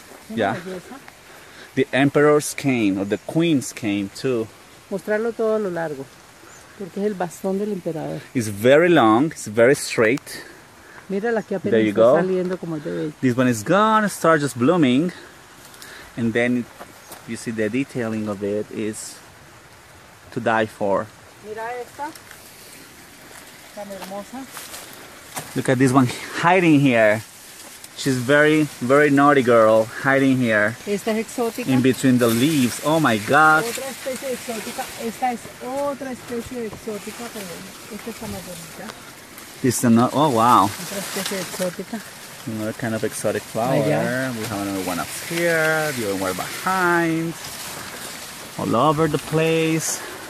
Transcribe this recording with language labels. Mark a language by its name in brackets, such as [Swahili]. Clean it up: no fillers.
[English] Yeah. The emperor's cane or the queen's cane too. [Spanish] Mostrarlo todo a lo largo, porque es el bastón del emperador. [English] It's very long, it's very straight. [Spanish] Mira la que apenas está saliendo como de bello. [English] This one is gonna start just blooming. And then you see the detailing of it is to die for. [Spanish] Mira esta, tan hermosa. [English] Look at this one hiding here. She's very, very naughty girl, hiding here. [Spanish] Esta es exótica. [English] In between the leaves. Oh my God. [Spanish] Otra especie exótica. Esta es otra especie exótica, pero esta está más bonita. [English] This is another, oh wow. [Spanish] Otra especie exótica. [English] Another kind of exotic flower. Oh, yeah. We have another one up here, the other one behind. All over the place.